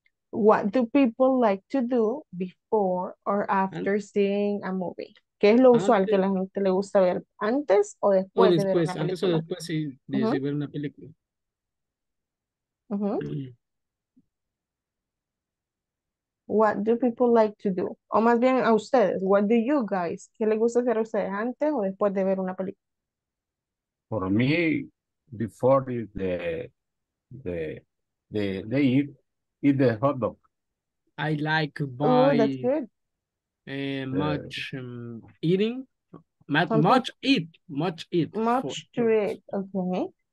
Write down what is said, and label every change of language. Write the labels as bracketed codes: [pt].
[en] What do people like to do before or after seeing a movie? [es] ¿Qué es lo usual antes, que la gente le gusta ver antes o después? O después, de ver antes o después sí, de uh-huh. ver una película. Uh-huh. Mm. [en] What do people like to do? [es] O más bien a ustedes. [en] What do you guys? [es] ¿Qué les gusta hacer a ustedes antes o después de ver una película? [en] For me, before they eat the hot dog. I like buy. Oh, that's good. Much eating. Much eat. Much to eat. Okay.